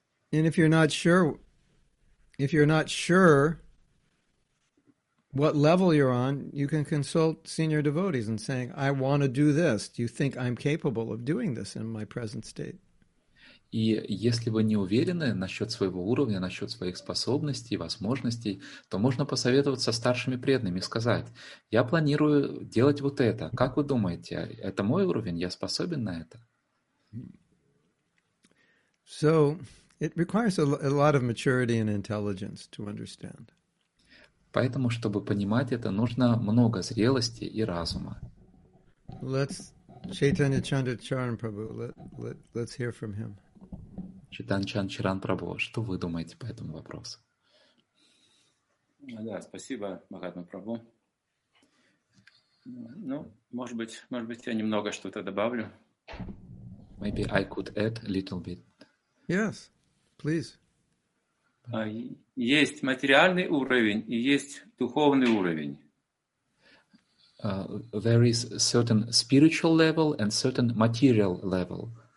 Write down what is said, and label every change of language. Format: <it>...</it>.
<en>And if you're not sure what level you're on, you can consult senior devotees and saying, I want to do this. Do you think I'm capable of doing this in my present state?</en> <ru>И если вы не уверены насчет своего уровня, насчет своих способностей, возможностей, то можно посоветоваться со старшими преданными и сказать, я планирую делать вот это. Как вы думаете, это мой уровень? Я способен на это?</ru> <en>So, it requires a lot of maturity and intelligence to understand.</en> <ru>Поэтому, чтобы понимать это, нужно много зрелости и разума.</ru> <en>Chaitanya Chandracharan Prabhu, let's hear from him.</en> <ru>Читанчан Чиран Прабху, что вы думаете по этому вопросу? Да, спасибо, Махатма Прабху. Ну, может быть, я немного что-то добавлю.</ru> <en>Maybe I could add a little bit. Yes, please.</en> <ru>Есть материальный уровень и есть духовный уровень.</ru> <en>There is a certain spiritual level and certain material level.</en>